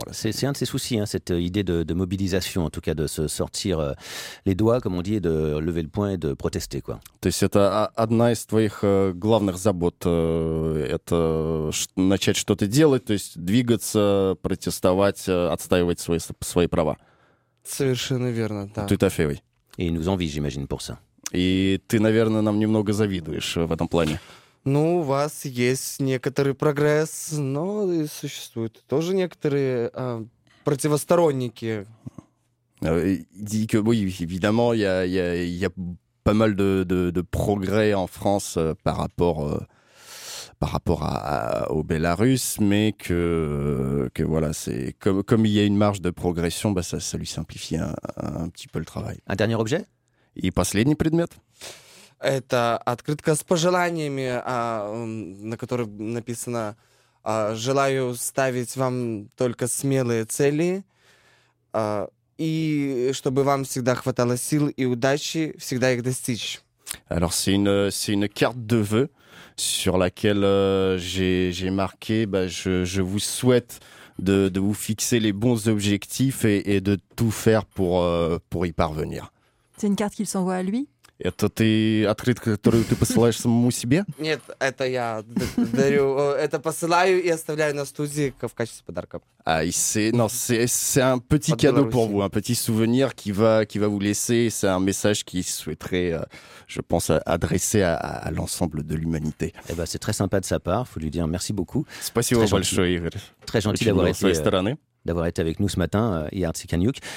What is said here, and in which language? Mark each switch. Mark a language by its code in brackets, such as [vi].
[fr] Voilà. C'est un de ses soucis, hein, cette idée de mobilisation, en tout cas de se sortir les doigts, comme on dit, et de lever le poing et de protester. Quoi. [ru] То есть это одна из твоих главных забот, это начать что-то делать, то есть двигаться, протестовать, отстаивать свои права. Совершенно верно, да. [fr] Tout à fait, oui. Et il nous envie, j'imagine, pour ça. [ru] И ты, наверное, нам немного завидуешь в этом плане. Ну, у вас есть некоторый прогресс, но и существуют тоже некоторые противосторонники. [fr] Oui, évidemment, il y a pas mal de progrès en France par rapport au Belarus, mais que voilà, c'est comme il y a une marge de progression, bah ça lui simplifie un petit peu le travail. Un dernier objet? [ru] И последний предмет? Это открытка с пожеланиями, на которой написано: «Желаю ставить вам только смелые цели». И чтобы вам всегда хватало сил и удачи, всегда их достичь. [fr] Alors c'est une carte de vœux sur laquelle j'ai marqué je vous souhaite de vous fixer les bons objectifs et de tout faire pour y parvenir. C'est une carte qu'il s'envoie à lui? [ru] Это ты открытка, которую ты посылаешь самому себе? Нет, это я дарю, это посылаю и оставляю на студии в качестве подарка. [fr] А, c'est un petit cadeau pour vous, un petit souvenir qui va vous laisser. C'est un message qu'il souhaiterait, je pense, adresser à l'ensemble de l'humanité. Eh ben, c'est très sympa de sa part. Faut lui dire merci beaucoup. [ru] Спасибо большое, Игорь. [fr] Très gentil d'avoir été avec nous ce matin, Yard Sikaniouk.